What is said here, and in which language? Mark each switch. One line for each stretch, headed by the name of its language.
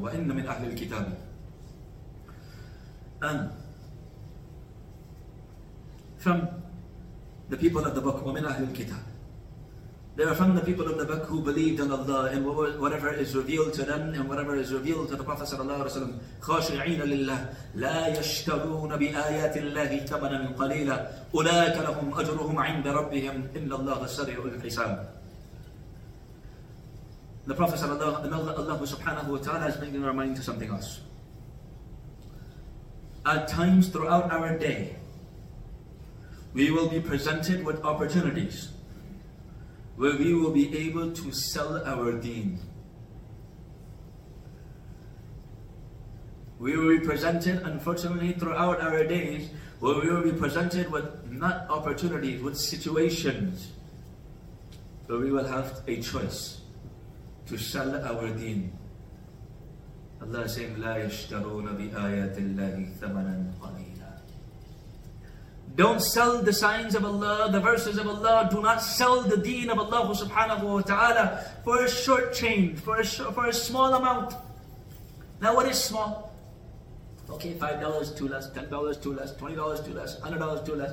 Arabic: وَإِنَّ مِنْ أَهْلِ الْكِتَابِ.
English: And from the people of the book,
Arabic: وَمِنْ أَهْلِ الْكِتَابِ.
English: They are from the people of the book who believed in Allah and whatever is revealed to them and whatever is revealed to the Prophet sallallahu alaihi wasallam.
Arabic: خاشعين لله لا يشترون بآيات الله ثمنا قليلا أولئك لهم أجرهم عند ربهم إن الله سريع الحساب.
English: The Prophet sallallahu alaihi wasallam, Allah subhanahu wa ta'ala, is bringing our mind to something else. At times throughout our day, we will be presented with opportunities where we will be able to sell our deen. We will be presented, unfortunately, throughout our days, where we will be presented with not opportunities, with situations, where we will have a choice to sell our deen. Allah is saying,
Arabic: لا يشترون بآيات الله ثمنا قليلا.
English: Don't sell the signs of Allah, the verses of Allah. Do not sell the deen of Allah subhanahu wa ta'ala for a short change, for a small amount. Now what is small? Okay, $5 too less, $10 too less, $20 too less, $100 too less.